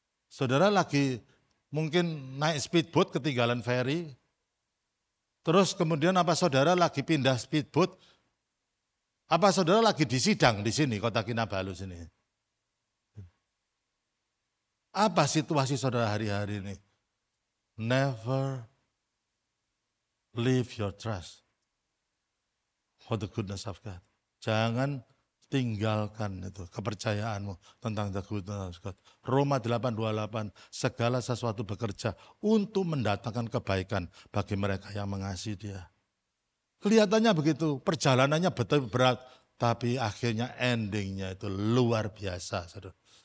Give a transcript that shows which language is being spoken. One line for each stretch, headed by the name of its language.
Indonesian: Saudara lagi mungkin naik speedboat ketinggalan feri. Terus kemudian apa saudara lagi pindah speedboat? Apa saudara lagi disidang di sini, Kota Kinabalu sini? Apa situasi saudara hari-hari ini?
English: Never leave your trust for the goodness of God.
Indonesian: Jangan tinggalkan itu kepercayaanmu tentang
English: the goodness of God.
Indonesian: Roma 8:28, segala sesuatu bekerja untuk mendatangkan kebaikan bagi mereka yang mengasihi Dia. Kelihatannya begitu, perjalanannya betul berat, tapi akhirnya endingnya itu luar biasa, saudara.